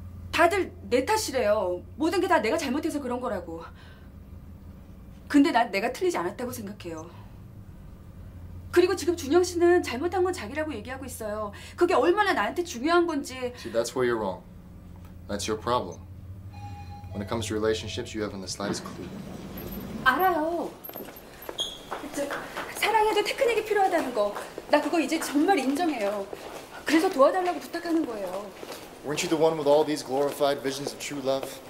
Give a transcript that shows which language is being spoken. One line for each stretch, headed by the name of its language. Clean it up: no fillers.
Korean: 다들 내 탓이래요. 모든 게 다 내가 잘못해서 그런 거라고. 근데 난 내가 틀리지 않았다고 생각해요. 그리고 지금 준영 씨는 잘못한 건 자기라고 얘기하고 있어요. 그게 얼마나 나한테 중요한 건지.
English: See, that's where you're wrong. That's your problem. When it comes to relationships, you haven't the slightest clue.
Korean: 알아요. 저, 사랑해도 테크닉이 필요하다는 거. 나 그거 이제 정말 인정해요. 그래서 도와달라고 부탁하는 거예요.
English: Weren't you the one with all these glorified visions of true love?